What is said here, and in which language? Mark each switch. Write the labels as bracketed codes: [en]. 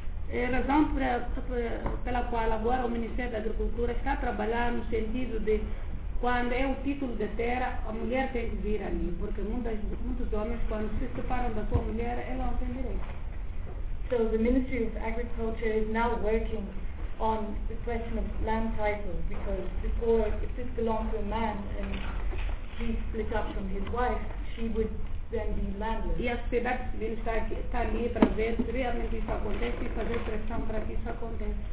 [pt] É a razão pela qual agora o Ministério da Agricultura está a trabalhar no sentido de quando é o título de terra, a mulher tem que vir ali, porque muitos homens, quando se separam da sua mulher, ela não tem direito. [en] So the Ministry of Agriculture is now working on the question of land title, because before, if this belonged to a man and he split up from his wife, she would then be landless. [pt] E a sociedade civil está ali para ver se realmente isso acontece e fazer pressão para que isso aconteça.